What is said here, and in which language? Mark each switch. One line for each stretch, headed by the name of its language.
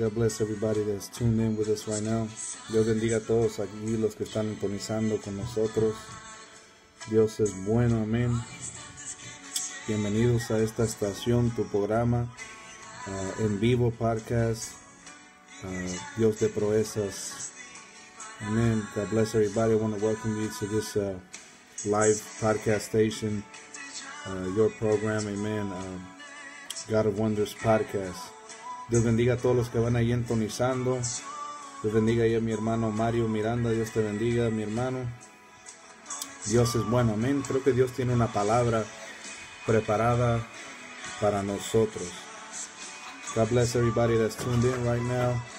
English: God bless everybody that's tuned in with us right now.
Spanish: Dios bendiga a todos aquí, los que están sintonizando con nosotros. Dios es bueno. Amén. Bienvenidos a esta estación, tu programa, en vivo, podcast. Dios de proezas. Amen.
English: God bless everybody. I want to welcome you to this live podcast station, your program. Amen. God of Wonders podcast.
Spanish: Dios bendiga a todos los que van ahí entonizando. Dios bendiga ahí a mi hermano Mario Miranda. Dios te bendiga, mi hermano. Dios es bueno. Amen. Creo que Dios tiene una palabra preparada para nosotros.
English: God bless everybody that's tuned in right now.